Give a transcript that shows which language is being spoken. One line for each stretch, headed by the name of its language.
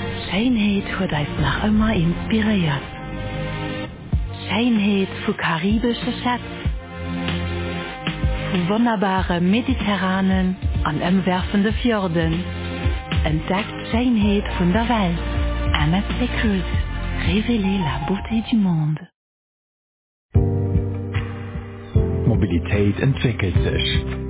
German: Schönheit hat euch noch immer inspiriert. Schönheit für karibische Schätze. Für wunderbare mediterranen und umwerfende Fjorden. Entdeckt Schönheit von der Welt.
English: MSC Cruise.
French: Révélez la beauté du monde.
German: Mobilität entwickelt sich.